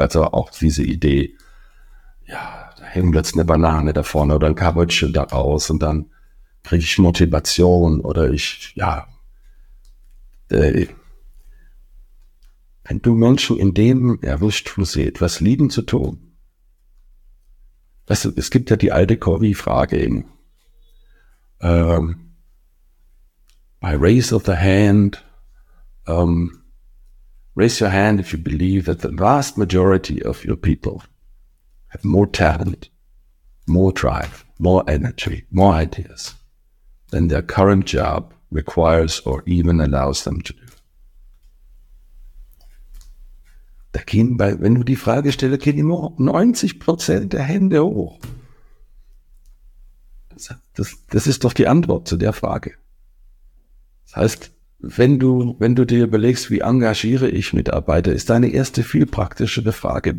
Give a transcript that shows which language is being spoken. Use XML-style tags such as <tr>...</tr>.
<de>Also auch diese Idee, ja, da hängt plötzlich eine Banane da vorne oder ein Kabelchen da raus und dann kriege ich Motivation oder ich, ja. Wenn du Menschen in dem erwischt, wo sie etwas lieben zu tun, weißt du, es gibt ja die alte Corrie-Frage eben.</de> <en>By raise of the hand, raise your hand if you believe that the vast majority of your people have more talent, more drive, more energy, more ideas than their current job requires or even allows them to do.</en> <de>Da gehen bei, wenn du die Frage stellst, gehen immer 90% der Hände hoch. Das ist doch die Antwort zu der Frage. Das heißt, wenn du dir überlegst, wie engagiere ich Mitarbeiter, ist deine erste viel praktischere Frage.</de>